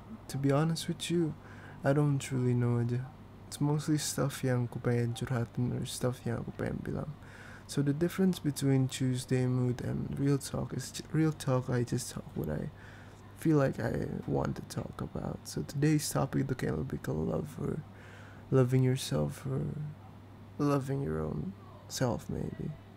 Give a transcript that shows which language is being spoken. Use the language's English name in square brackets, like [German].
[English] To be honest with you, I don't truly know [Indonesian] aja. [English] It's mostly stuff [Indonesian] yang aku pengen curhatin [English] or stuff [Indonesian] yang aku pengen bilang. [English] So the difference between Tuesday mood and real talk is real talk, I just talk what I feel like I want to talk about. So today's topic, the chemical love or loving yourself or loving your own self maybe.